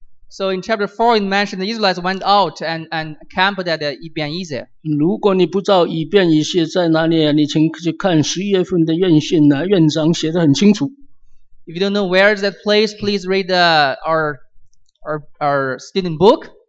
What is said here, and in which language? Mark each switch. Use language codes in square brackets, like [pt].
[en] So in chapter 4, it mentioned the Israelites went out and camped at Ebenezer. [zh] 如果你不知道以便以谢在哪里，你请去看11月份的院训呢，院长写得很清楚。 [en] If you don't know where is that place, please read our student book.